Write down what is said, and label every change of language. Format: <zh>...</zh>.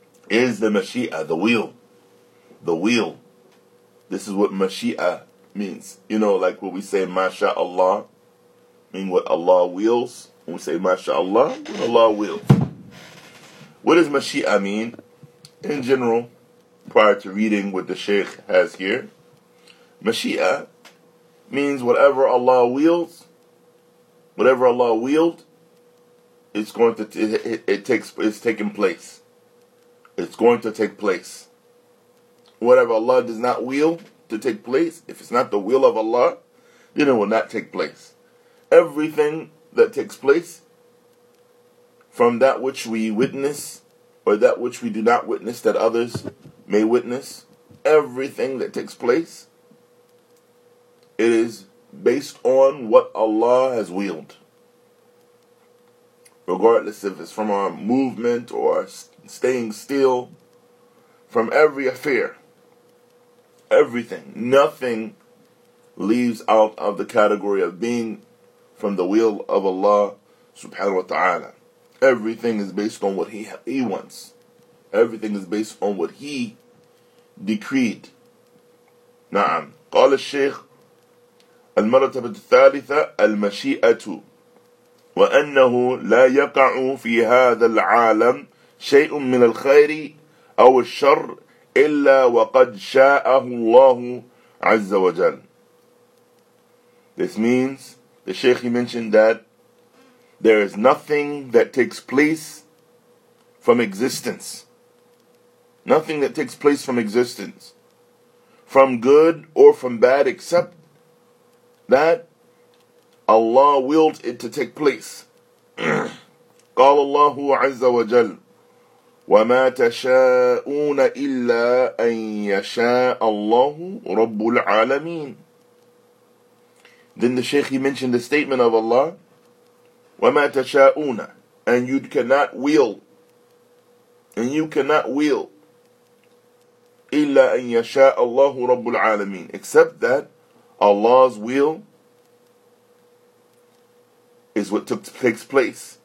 <en>is the مشيئة the will the will this is what مشيئة means you know like what we say</en> <ar>ما شاء الله</ar> <en>mean what Allah wills when we say ما شاء الله what Allah wills what does مشيئة mean in general prior to reading what the Shaykh has here. Mashi'a means whatever Allah wills, whatever Allah willed, it's going to, it's taking place. It's going to take place. Whatever Allah does not will to take place, if it's not the will of Allah, then it will not take place. Everything that takes place from that which we witness or that which we do not witness that others may witness everything that takes place. It is based on what Allah has willed. Regardless if it's from our movement or staying still, from every affair, everything, nothing leaves out of the category of being from the will of Allah subhanahu wa ta'ala. Everything is based on what He wants. Everything is based on what He decreed.</en> <ar>نعم. قال الشيخ المرتبة الثالثة المشيئة وأنه لا يقع في هذا العالم شيء من الخير أو الشر إلا وقد شاءه الله عز وجل.</ar> <en>This means the Shaykh he mentioned that there is nothing that takes place from existence. Nothing that takes place from existence, from good or from bad, except that Allah willed it to take place.</en> <ar>قال الله عز وجل وما تشاءون إلا أن يشاء الله رب العالمين.</ar> <en>Then the Shaykh he mentioned the statement of Allah</en> <ar>وما تشاءون</ar> <en>and you cannot will and you cannot will</en> <ar>إِلَّا أَنْ يَشَاءَ اللَّهُ رَبُّ الْعَالَمِينَ</ar> <en>except that Allah's will is what takes place.</en>